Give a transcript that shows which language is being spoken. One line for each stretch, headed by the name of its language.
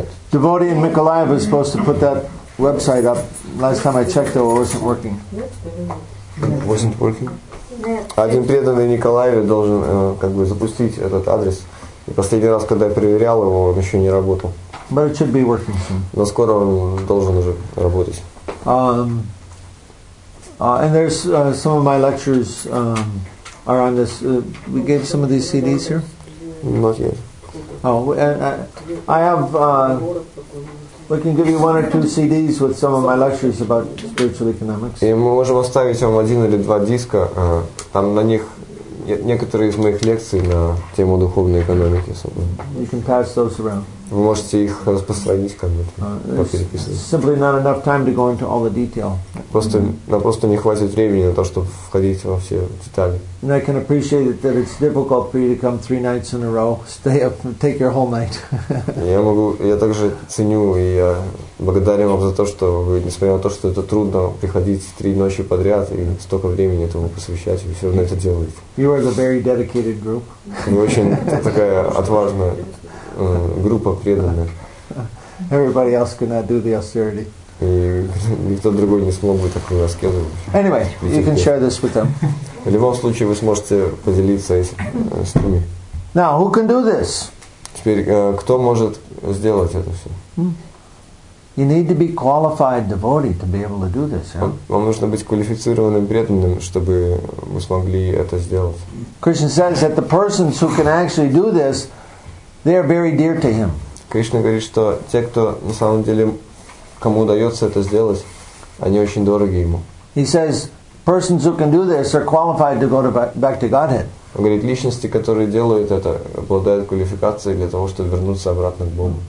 English: Devotee in Mykolaiv is supposed to put that website up. Last time I checked, though, it wasn't working. Wasn't working?
Russian: Один преданный Николаев должен как бы запустить этот адрес. И последний раз, когда я проверял его, он еще не работал.
English: But it should be working soon.
Russian: Но скоро он должен уже работать.
English: And there's some of my lectures are on this. We gave some of these CDs here. Not yet. Oh, I have. We can give you one or two CDs with some of my lectures about spiritual economics.
Russian: И мы можем оставить вам один или два диска. Там на них некоторые из моих лекций на тему духовной экономики.
English: You can pass those around.
Russian: Вы можете их распространить кому-то, попереписывать.
English: Simply not enough time to go into all the detail.
Russian: Просто нам просто не хватит времени на то, чтобы входить во все детали.
English: And I can appreciate it that it's difficult for you to come three nights in a row, stay up, take your whole night.
Russian: Я также ценю и я благодарен вам за то, что вы, несмотря на то, что это трудно приходить три ночи подряд и столько времени этому посвящать, вы все равно это делаете.
English: You are the very dedicated group.
Russian: Вы очень такая отважная. Группа преданная.
English: Everybody else could not do the austerity.
Russian: И никто другой не смог бы такую аскезу.
English: Anyway, you can share this with them.
Russian: В любом случае вы сможете поделиться с ними.
English: Now, who can do this?
Russian: Теперь кто может сделать это все?
English: You need to be qualified devotee to be able to do this.
Russian: Вам нужно быть квалифицированным преданным, чтобы вы смогли это сделать.
English: Krishna says that the persons who can actually do this, they are very dear to him.
Russian: Кришна говорит, что те, кто на самом деле кому удается это сделать, они очень дороги ему.
English: He says, persons who can do this are qualified to go to back to Godhead.
Russian: Он говорит, личности, которые делают это, обладают квалификацией для того, чтобы вернуться обратно к Богу.